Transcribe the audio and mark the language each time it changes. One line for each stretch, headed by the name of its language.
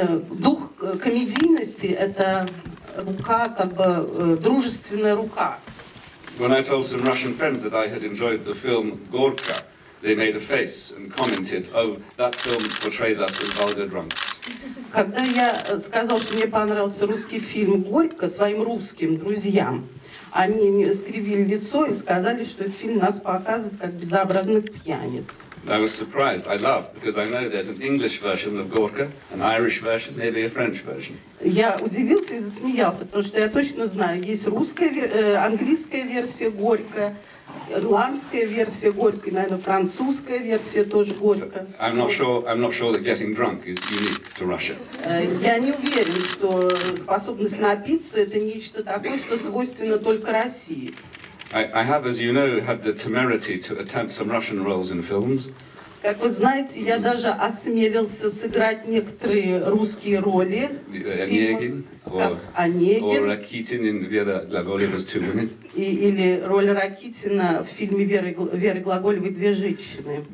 Russian: Дух комедийности – это рука, как бы дружественная рука.
English: When I told some Russian friends that I had enjoyed the film Gorka, they made a face and commented, "Oh, that film portrays us as vulgar drunks."
Russian: Когда я сказал, что мне понравился русский фильм Горько своим русским друзьям, они скривили лицо и сказали, что этот фильм нас показывает как безобразных пьяниц.
English: I was surprised. I laughed because I know there's an English version of Gorka, an Irish version, maybe a French version.
Russian: Я удивился и засмеялся, потому что я точно знаю, есть русская, английская версия Горька, ирландская версия Горька, наверное, французская версия тоже Горька.
English: I'm not sure that getting drunk is unique to Russia.
Russian: Я не уверен, что способность напиться — это нечто такое, что свойственно только России.
English: I have, as you know, had the temerity to attempt some Russian roles in films.
Russian: Как вы знаете, я даже осмелился сыграть некоторые русские роли. Онегин, Онегин.
English: Or Rakitin in Vera Glagolyeva's Two Women.
Russian: Или роль Ракитина в фильме Веры Глаголевой «Две женщины».